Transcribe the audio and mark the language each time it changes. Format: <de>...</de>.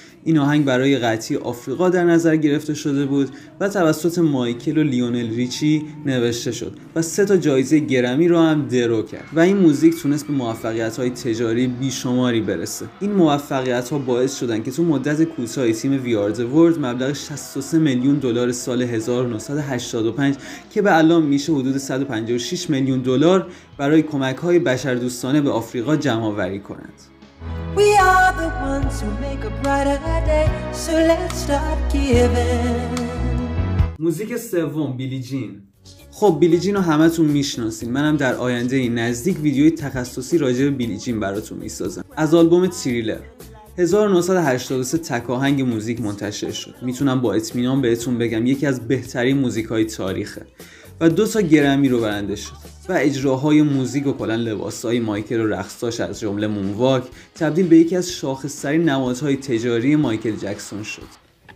<fa>این آهنگ برای قطعی آفریقا در نظر گرفته شده بود و توسط مایکل و لیونل ریچی نوشته شد و 3 جایزه گرمی رو هم درو کرد و این موزیک تونست به موفقیت‌های تجاری بیشماری برسه. این موفقیت‌ها باعث شدن که تو مدت کوتاهی تیم وی آر د ورلد مبلغ 63 میلیون دلار سال 1985 که به الان میشه حدود 156 میلیون دلار برای کمک‌های بشردوستانه به آفریقا جمع‌آوری کنند.</fa> <en>We are the ones who make a brighter day, so let's start giving.</en> <fa>موزیک سوم، بیلی جین. خب بیلی جین رو همتون میشناسین. منم در آینده نزدیک ویدیوی تخصصی راجع به بیلی جین براتون میسازم. از آلبوم تریلر 1983 تک آهنگ موزیک منتشر شد. میتونم با اطمینان بهتون بگم یکی از بهترین موزیکای تاریخه و 2 گرمی رو برنده شد و اجراهای موزیک و کلن لباسهای مایکل و رقصاش از جمله مونواک تبدیل به یکی از شاخص‌ترین نمادهای تجاری مایکل جکسون شد.</fa>